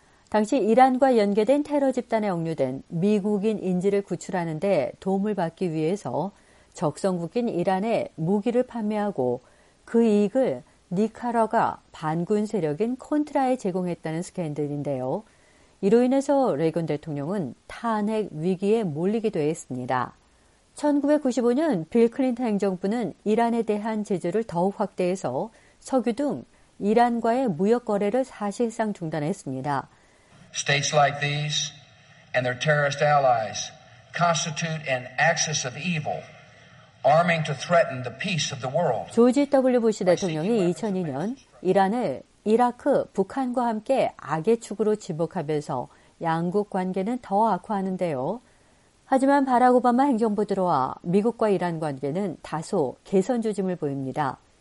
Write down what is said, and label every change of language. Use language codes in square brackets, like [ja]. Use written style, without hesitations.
[ko] 당시 이란과 연계된 테러 집단에 억류된 미국인 인질을 구출하는 데 도움을 받기 위해서 적성국인 이란에 무기를 판매하고 그 이익을 니카라과 반군 세력인 콘트라에 제공했다는 스캔들인데요. 이로 인해서 레이건 대통령은 탄핵 위기에 몰리기도 했습니다. 1995년 빌 클린턴 행정부는 이란에 대한 제재를 더욱 확대해서 석유 등 이란과의 무역 거래를 사실상 중단했습니다. [en] States like these and their terrorist allies constitute an axis of evil, arming to threaten the peace of the world. [ko] 조지 W. 부시 대통령이 2002년 이란을 이라크, 북한과 함께 악의 축으로 지목하면서 양국 관계는 더 악화하는데요. 하지만 바락 오바마 행정부 들어와 미국과 이란 관계는 다소 개선 조짐을 보입니다.